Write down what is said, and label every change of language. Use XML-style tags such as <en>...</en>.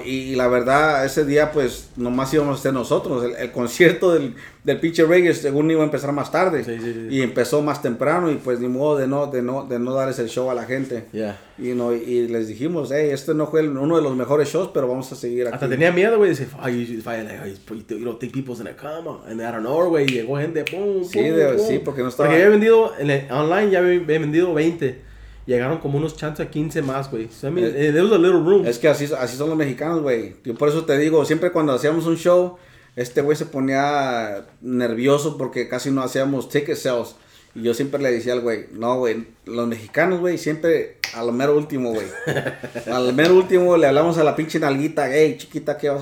<es>Y la verdad, ese día pues nomás íbamos a ser nosotros. El concierto del pinche reggae según iba a empezar más tarde. Sí, sí, sí. Y empezó más temprano y pues ni modo de no darles el show a la gente. Ya.</es> <en>Yeah. You know?</en> <es>Y les dijimos, hey, este no fue uno de los mejores shows, pero vamos a seguir aquí. Hasta tenía miedo, güey.</es> <en>Dice, you know, take people's in a coma. And out of nowhere, güey,</en> <es>llegó gente, sí, porque no estaba. Porque había vendido online, ya había vendido 20. Llegaron como unos chance a 15 más, güey.</es> <en>So, I mean, there was a little room.</en> <es>Es que así son los mexicanos, güey. Por eso te digo, siempre cuando hacíamos un show, este güey se ponía nervioso porque casi no hacíamos ticket sales. Y yo siempre le decía al güey, no, güey, los mexicanos, güey, siempre al mero último, güey. Al mero último le hablamos a la pinche nalguita, hey, chiquita, ¿qué vas</es>